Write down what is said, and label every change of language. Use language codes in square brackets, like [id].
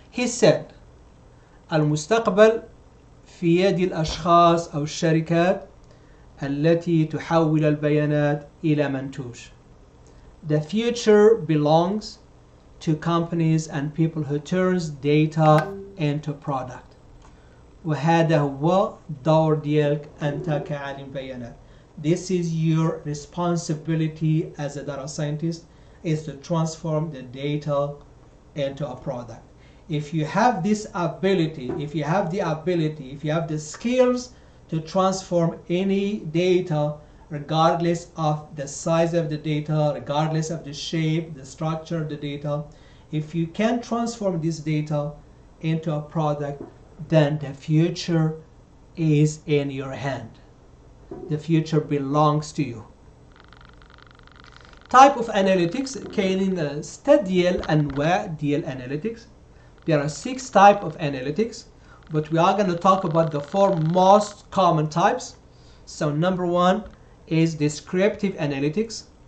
[ar] هي سيد المستقبل في يد الاشخاص او الشركات التي تحول البيانات الى منتوج. [en] The future belongs to companies and people who turns data into product. [ar] وهذا هو دور ديالك أنت كعالم بيانات. [en] This is your responsibility as a data scientist is to transform the data into a product. If you have this ability, if you have the ability, if you have the skills to transform any data, regardless of the size of the data, regardless of the shape, the structure of the data, if you can transform this data into a product, then the future is in your hand. The future belongs to you. Type of analytics. [ar] كاينين ستة ديال أنواع ديال analytics. [en] There are six type of analytics, but we are going to talk about the four most common types. So number one is descriptive analytics.